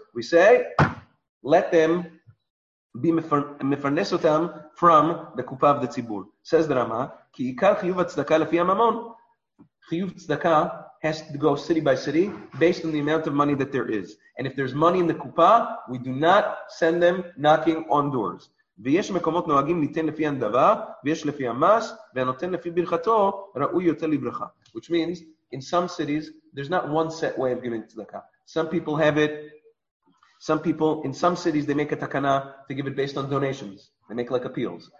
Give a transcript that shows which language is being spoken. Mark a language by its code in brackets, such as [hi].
[en] We say, let them be mefarnesotam from the kupa of the tzibur. Says the Rama, ki ikar chiyuv tzedakah lefi hamamon. Chiyuv tzedakah has to go city by city based on the amount of money that there is. And if there's money in the kupa, we do not send them knocking on doors. [he] ויש מקומות נוהגים ניתן לפי הנדבה, ויש לפי המס, והנותן לפי ברכתו, ראוי יותר לברכה. [en] Which means, in some cities, there's not one set way of giving tzedakah. Some people have it, in some cities, they make a takana to give it based on donations. They make like appeals.